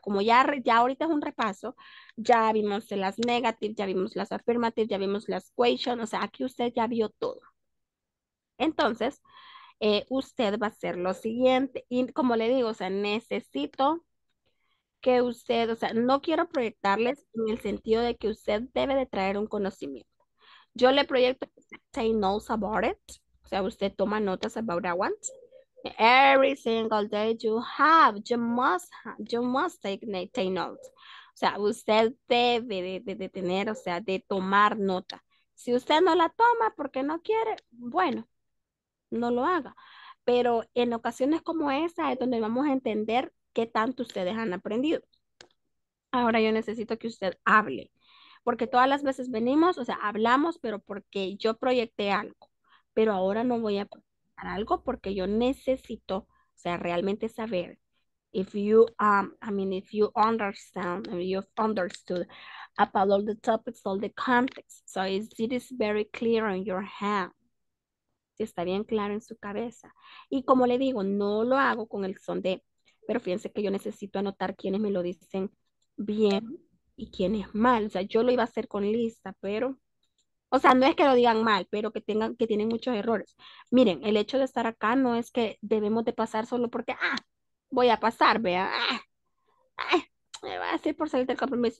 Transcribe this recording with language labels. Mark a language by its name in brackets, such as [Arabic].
[Spanish] Como ya ahorita es un repaso, ya vimos las negative, ya vimos las affirmative, ya vimos las question, o sea, aquí usted ya vio todo. Entonces, usted va a hacer lo siguiente, y como le digo, o sea, necesito que usted, o sea, no quiero proyectarles en el sentido de que usted debe de traer un conocimiento. Yo le proyecto [English] say notes about it. [Spanish] O sea, usted toma notas [English] about that one. Every single day you have, you must take notes. [Spanish] O sea, usted debe de tener, o sea, de tomar nota. Si usted no la toma porque no quiere, bueno, no lo haga. Pero en ocasiones como esa es donde vamos a entender qué tanto ustedes han aprendido. Ahora yo necesito que usted hable. Porque todas las veces venimos, o sea, hablamos, pero porque yo proyecté algo. Pero ahora no voy a proyectar algo porque yo necesito, o sea, realmente saber. [English] If you understand, if you've understood about all the topics, all the context. So it is very clear in your head. [Spanish] Si está bien claro en su cabeza. Y como le digo, no lo hago con el son de, pero fíjense que yo necesito anotar quiénes me lo dicen bien. Y quién es mal, o sea, yo lo iba a hacer con lista, pero, o sea, no es que lo digan mal, pero que tienen muchos errores. Miren, el hecho de estar acá no es que debemos de pasar solo porque, ah, voy a pasar, vea, me va a hacer por salir del compromiso.